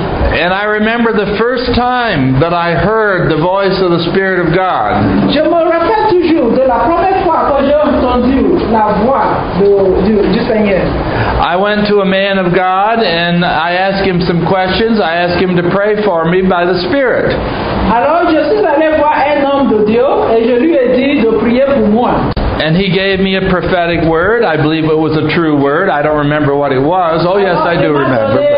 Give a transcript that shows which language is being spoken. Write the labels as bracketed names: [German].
[English] And I remember the first time that I heard the voice of the Spirit of God. [French] Je me rappelle toujours de la première fois que j'ai entendu la voix du Seigneur. [English] I went to a man of God and I asked him some questions. I asked him to pray for me by the Spirit. [French] Alors je suis allé voir un homme de Dieu et je lui ai dit de prier pour moi. [English] And he gave me a prophetic word. I believe it was a true word. I don't remember what it was. Oh yes, I do remember.